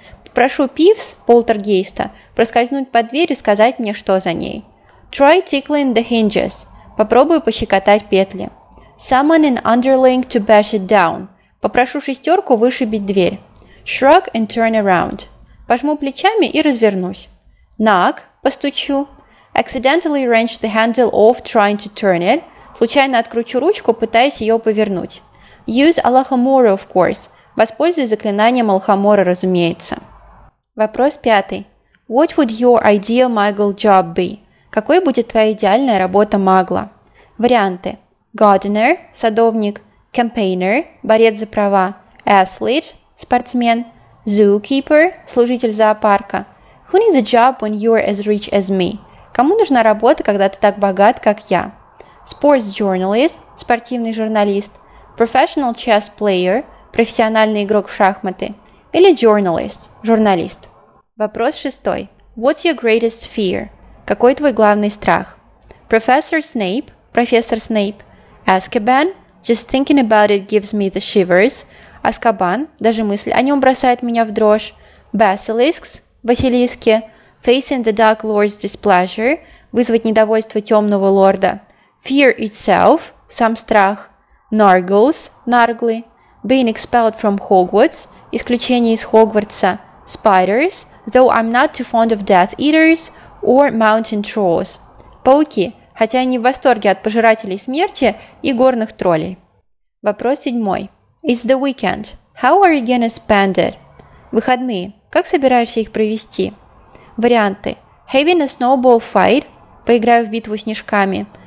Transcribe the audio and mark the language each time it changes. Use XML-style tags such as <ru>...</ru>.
<ru>Попрошу Peeves, полтергейста, проскользнуть под дверь и сказать мне, что за ней.</ru> <en>Try tickling the hinges.</en> <ru>Попробую пощекотать петли.</ru> <en>Summon an underling to bash it down.</en> <ru>Попрошу шестерку вышибить дверь.</ru> <en>Shrug and turn around.</en> <ru>Пожму плечами и развернусь.</ru> <en>Knock.</en> <ru>Постучу.</ru> <en>Accidentally wrench the handle off trying to turn it.</en> <ru>Случайно откручу ручку, пытаясь ее повернуть.</ru> <en>Use Alohomora, of course.</en> <ru>Воспользуюсь заклинанием Alohomora, разумеется. Вопрос пятый.</ru> <en>What would your ideal muggle job be?</en> <ru>Какой будет твоя идеальная работа магла? Варианты. Gardener – садовник. Campaigner – борец за права. Athlete – спортсмен. Zookeeper – служитель зоопарка.</ru> <en>Who needs a job when you're as rich as me?</en> <ru>Кому нужна работа, когда ты так богат, как я?</ru> <en>Sports journalist</en> <ru>– спортивный журналист.</ru> <en>Professional chess player</en> <ru>– профессиональный игрок в шахматы. Или journalist – журналист. Вопрос шестой.</ru> <en>What's your greatest fear?</en> <ru>Какой твой главный страх? Professor Snape – профессор Снейп.</ru> <en>Azkaban – just thinking about it gives me the shivers.</en> <ru>Азкабан – даже мысль о нем бросает меня в дрожь.</ru> <en>Basilisks – василиски. Facing the Dark Lord's displeasure,</en> <ru>вызвать недовольство темного лорда.</ru> <en>Fear itself,</en> <ru>сам страх.</ru> <en>Nargles, нарглы. Being expelled from Hogwarts,</en> <ru>исключение из Хогвартса.</ru> <en>Spiders, though I'm not too fond of Death Eaters, or Mountain Trolls.</en> <ru>Пауки, хотя они в восторге от пожирателей смерти и горных троллей. Вопрос седьмой.</ru> <en>It's the weekend. How are you gonna spend it?</en> <ru>Выходные. Как собираешься их провести? Варианты.</ru> <en>Having a snowball fight.</en> <ru>Поиграю в битву снежками.</ru>